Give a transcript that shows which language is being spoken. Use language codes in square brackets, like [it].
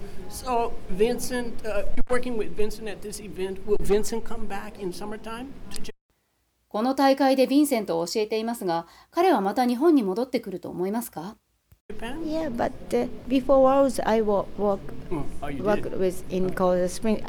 [en] So, Vincent, you're working with Vincent at this event. Will Vincent come back in summertime? [ja] この大会で Vincent を教えていますが、彼はまた日本に戻ってくると思いますか? [en] Japan? Yeah, but before Worlds, I worked with in Colorado Springs.